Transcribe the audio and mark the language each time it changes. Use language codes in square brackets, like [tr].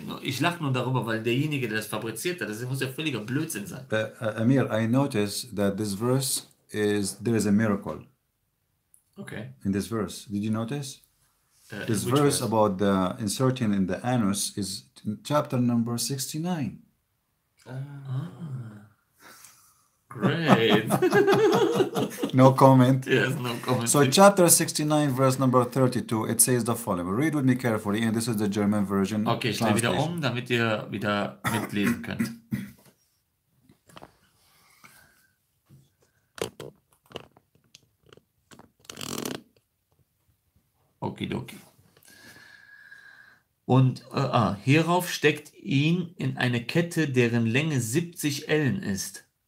[de] Ich lache nur darüber, weil derjenige, der das fabriziert hat, das muss ja völliger Blödsinn sein. [en] Amir, I notice that this verse is, there is a miracle. Okay. In this verse. Did you notice? This verse about the inserting in the anus is chapter number 69. Great. No comment. Yes, no comment. So chapter 69, verse number 32, it says the following. Read with me carefully, and this is the German version. [de] Okay, ich schreibe wieder um, damit ihr wieder mitlesen könnt. Okidoki. Und hierauf steckt ihn in eine Kette, deren Länge 70 Ellen ist.